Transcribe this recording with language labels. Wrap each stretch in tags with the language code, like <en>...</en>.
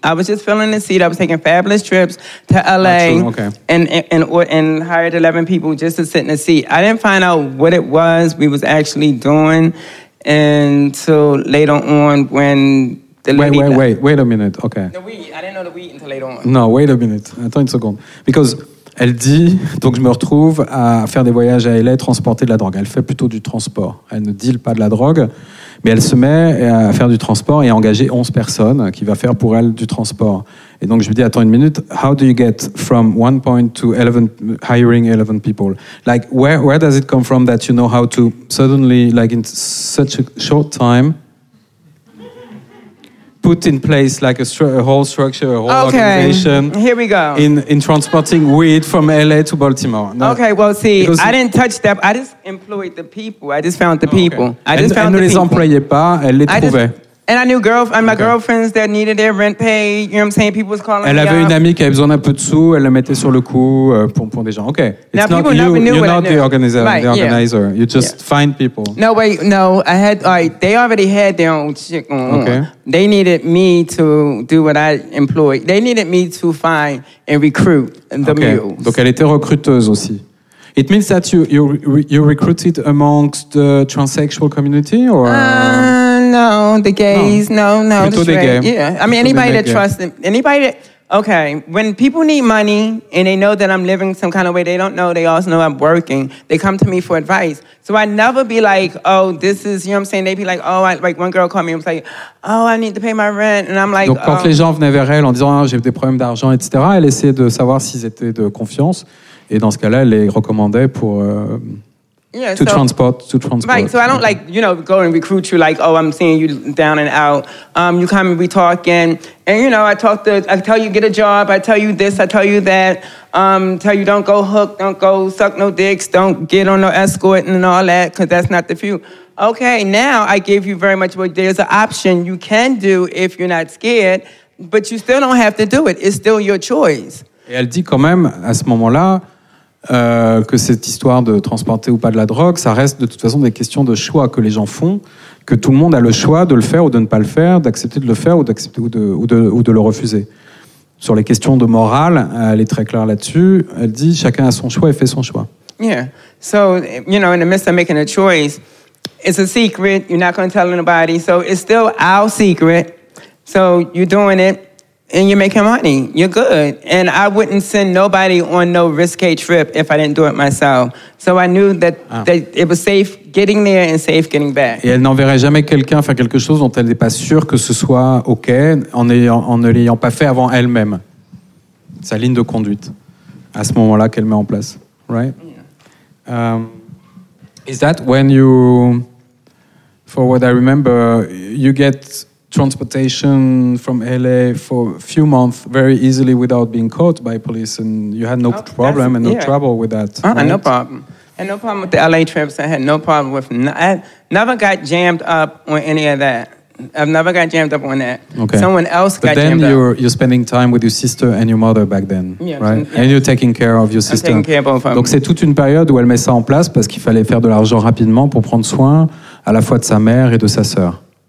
<en>I was taking fabulous trips to LA and hired 11 people just to sit in the seat. I didn't find out what it was we was actually doing until later on when the lady... Wait a minute, okay. The weed, I didn't know the weed until later on. No, wait a minute, attends une seconde. Because...</en> <fr>Elle dit, donc je me retrouve à faire des voyages à LA, transporter de la drogue. Elle fait plutôt du transport. Elle ne deal pas de la drogue, mais elle se met à faire du transport et à engager 11 personnes qui vont faire pour elle du transport.</fr> <en>Et donc je lui dis, attends une minute, how do you get from one point to 11, hiring 11 people? Like, where does it come from that you know how to suddenly, like in such a short time, put in place like a whole structure, a whole organization. Here we go. In transporting weed from LA to Baltimore. No. Okay, well, see, because I didn't touch that. I just employed the people. I just found the people. Okay.</en> <fr>Elle ne les employait pas, elle les trouvait.</fr> <en>Girlfriends that needed their rent paid, you know what I'm saying? People was calling</en> <fr>elle</fr> <en>me.</en> <fr>Elle avait une amie qui avait besoin un peu de sous, elle le mettait sur le coup pour des gens.</fr> <en>Okay. It's now, not people you, never knew you're not I knew. the organizer. Yeah. You just find people. No, wait, no. I had, like, they already had their own shit going on. Okay. They needed me to do what I employed. They needed me to find and recruit the mules.</en> <fr>Donc elle était recruteuse aussi.</fr> <en>It means that you recruited amongst the transsexual community or no, the gays, no.</en> <fr>Plutôt</fr> <en>the straight.</en> <fr>Des gays.</fr> <en>Yeah. I mean anybody that trusts anybody that okay. When people need money and they know that I'm living some kind of way, they don't know, they also know I'm working, they come to me for advice. So I never be like, oh, this is, you know what I'm saying? They be like, oh, one girl called me and was like, oh, I need to pay my rent. And I'm like,</en> <fr>donc, quand les gens venaient vers elle en disant, ah, j'ai des problèmes d'argent, etc., elle essayait de savoir s'ils étaient de confiance. Et dans ce cas-là, elle les recommandait pour...</fr> <en>To transport. Right, so I don't like, you know, go and recruit you like, oh, I'm seeing you down and out. You come and we talk and you know, I tell you get a job, I tell you this, I tell you that, tell you don't go hook, don't go suck no dicks, don't get on no escort and all that, because that's not the few. Okay, now I gave you very much, well, there's an option you can do if you're not scared, but you still don't have to do it. It's still your choice.</en> <fr>Et elle dit quand même, à ce moment-là, que cette histoire de transporter ou pas de la drogue, ça reste de toute façon des questions de choix que les gens font, que tout le monde a le choix de le faire ou de ne pas le faire, d'accepter de le faire ou de le refuser. Sur les questions de morale, elle est très claire là-dessus. Elle dit chacun a son choix et fait son choix.</fr> <en>Yeah, so you know, in the midst of making a choice, it's a secret. You're not going to tell anybody, so it's still our secret. So you're doing it. And you're making money. You're good. And I wouldn't send nobody on no risque trip if I didn't do it myself. So I knew that it was safe getting there and safe getting back.</en> <fr>Et elle n'enverrait jamais quelqu'un faire quelque chose dont elle n'est pas sûre que ce soit OK en ne l'ayant pas fait avant elle-même. Sa ligne de conduite à ce moment-là qu'elle met en place. Right? Yeah. Is that when you...</fr> <en>for what I remember, you get transportation from LA for a few months very easily without being caught by police, and you had no trouble with that. No problem. And no problem with the LA trips. I had no problem with. I never got jammed up on any of that. I've never got jammed up on that. Okay. Someone else but got jammed up. But then you're spending time with your sister and your mother back then, yes, right? Yes. And you're taking care of your sister. I'm taking care of both of them.</en> <fr>Donc c'est toute une période où elle met ça en place parce qu'il fallait faire de l'argent rapidement pour prendre soin à la fois de sa mère et de sa sœur.</fr>